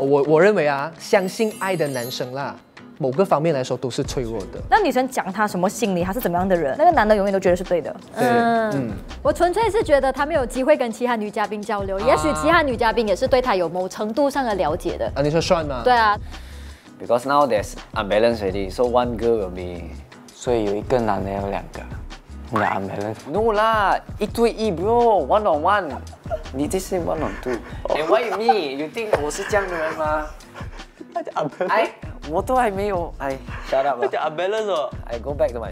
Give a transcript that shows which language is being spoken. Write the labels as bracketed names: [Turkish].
[Chinese] 我认为啊，相信爱的男生啦，某个方面来说都是脆弱的。那女生讲他什么心理，他是怎么样的人，那个男的永远都觉得是对的。我纯粹是觉得他没有机会跟其他女嘉宾交流，也许其他女嘉宾也是对他有某程度上的了解的。你说算吗？对啊。 [English] Because now there's unbalance already, so one girl will be. [Chinese] 所以有一个男的，有两个。你 unbalance? [English] No lah, [Chinese] 一对一 [English] bro, one on one. [Chinese] 你这是 [English] one on two. And why me? You think [Chinese] 我是这样的人吗？哎，我都还没有哎 ， [English] shut up [Chinese] 吧。叫 unbalance 哦。 [English] I go back to my.